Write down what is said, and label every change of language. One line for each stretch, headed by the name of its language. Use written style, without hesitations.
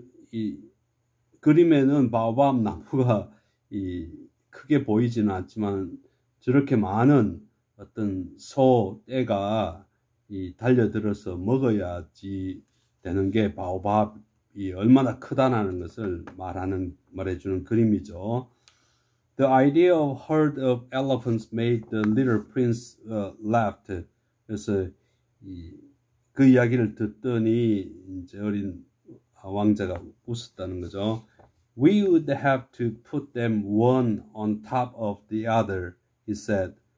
Korean: 이 그림에는 바밤 나무가 크게 보이지는 않지만 저렇게 많은 어떤 소떼가 달려들어서 먹어야지 되는 게 바오밥이 얼마나 크다는 것을 말해주는 그림이죠.
English: The idea of herd of elephants made the little prince laugh.
Korean: 그래서 그 이야기를 듣더니 이제 어린 왕자가 웃었다는 거죠.
English: We would have to put them one on top of the other, he said.